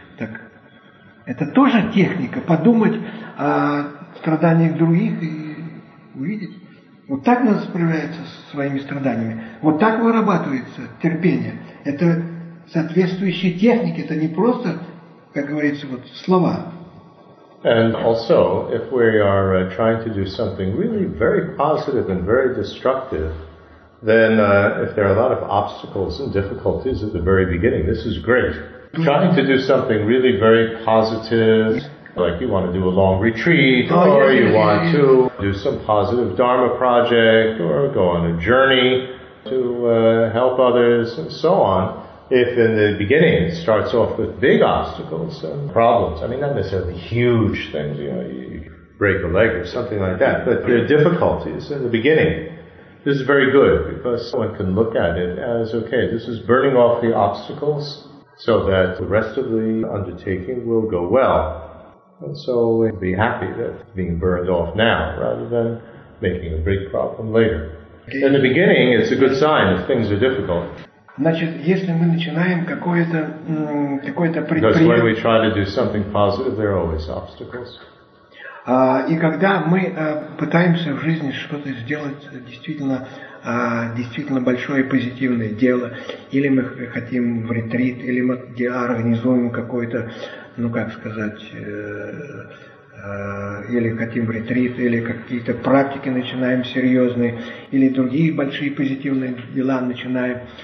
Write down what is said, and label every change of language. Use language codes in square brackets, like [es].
[ru] Так, это тоже техника, подумать о страданиях других и увидеть. Вот так нас справляется со своими страданиями. Вот так вырабатывается терпение. Это соответствующие техники, это не просто, как говорится, вот слова. [en] And also, if we are trying to do something really very positive and very destructive, then if there are a lot of obstacles and difficulties at the very beginning, this is great. Trying to do something really very positive, like you want to do a long retreat, or you want to do some positive Dharma project, or go on a journey to help others, and so on. If in the beginning it starts off with big obstacles and problems, I mean, not necessarily huge things, you know, you break a leg or something like that, but there are difficulties in the beginning. This is very good, because one can look at it as, okay, this is burning off the obstacles, so that the rest of the undertaking will go well. And so we'd be happy that it's being burned off now, rather than making a big problem later. In the beginning, it's a good sign if things are difficult. [ru] Значит, если мы начинаем какое-то предприятие... [en] Because when we try to do something positive, there are always obstacles. [ru] И когда мы пытаемся в жизни что-то сделать действительно большое позитивное дело, или мы хотим в ретрит, или мы организуем какой-то, или хотим в ретрит, или какие-то практики начинаем серьезные, или другие большие позитивные дела начинаем,